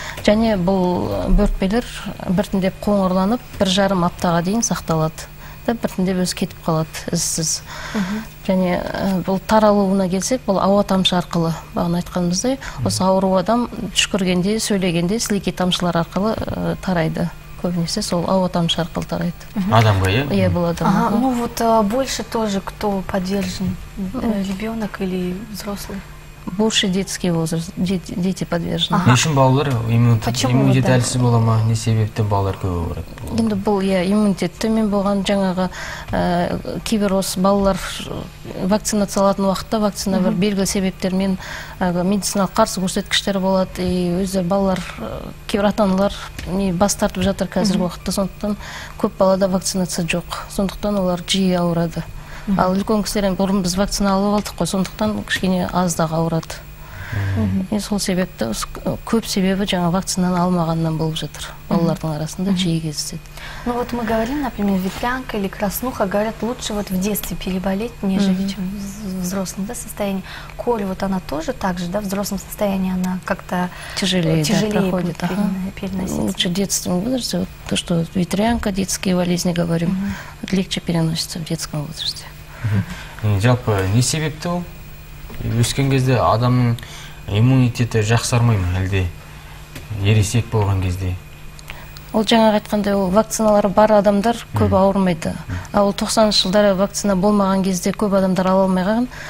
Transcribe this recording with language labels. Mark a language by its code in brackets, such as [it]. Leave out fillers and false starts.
[kk] Және бұл бөртпелер біртіндеп қоңырланып, бір жарым аптаға дейін сақталады. Да, біртіндеп өз кетіп қалады ізсіз. Және бұл таралуына келсек, бұл ауа тамшы арқылы, бағын айтқанымыздай, осы ауру адам түшкіргенде, сөйлегенде сілекей тамшылар арқылы тарайды. Көбінесе сол ауа тамшы арқылы тарайды. Адамға, иә? Иә, бұл адамға. [ru] Ага, ну вот больше тоже кто подвержен? Ребенок или взрослый? Больше детский возраст, дети подвержены. [kk] Не үшін балалар иммунитет әлсіз бола ма, не себепті балалар көп өріп? Енді бұл, иә, иммунитет төмен болған жаңағы кейбір осы балалар вакцинация алатын уақытта вакцина бір белгілі себептермен медициналық қарсы көрсеткіштер болады. И өздері балалар, кейбір ата-аналар бас тартып жатыр қазіргі уақытта, сондықтан көп балада вакцинация жоқ, сондықтан олар жиі ауырады. Ал үлкен кісілерден бұрын біз вакцина алып алдық қой, сондықтан кішкене аздағы ауырады. Сол себепті көп себебі жаңа вакцинаны алмағаннан болып жатыр балалардың арасында жиі кездеседі. [ru] Ну вот мы говорим, например, ветрянка или краснуха, говорят, лучше вот в детстве переболеть, нежели чем в взрослом, да, состоянии. Коль, вот она тоже так же, да, в взрослом состоянии она как-то тяжелее да, будет переносить. Лучше в детском возрасте, вот то, что ветрянка, детские болезни, говорим, вот легче переносится в детском возрасте. [kk] Жалпы, не себепті ол? Өскен кезде адамның иммунитеті жақсармай ма, әлде ересек болған кезде? Ол жаңағы айтқандай, ол вакциналары бар адамдар көп ауырмайды. Ал 90-шы жылдары вакцина болмаған кезде көп адамдар ала алмай қалған.